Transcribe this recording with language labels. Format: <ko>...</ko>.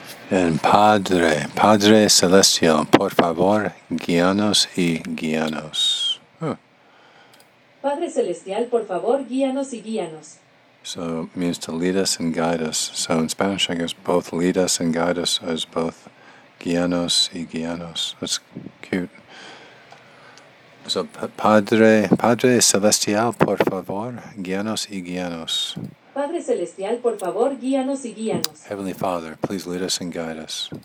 <es>En Padre, Padre Celestial, por favor, guíanos y guíanos. Padre Celestial, por favor, guíanos y guíanos.</es> <en>So it means to lead us and guide us. So in Spanish, I guess both lead us and guide us as both</en> <es>guíanos y guíanos.</es> <en>That's cute.</en> <es>So, Padre Celestial, por favor, guíanos y guíanos. Padre Celestial, por favor, guíanos y guíanos.</es> <en>Heavenly Father, please lead us and guide us.</en>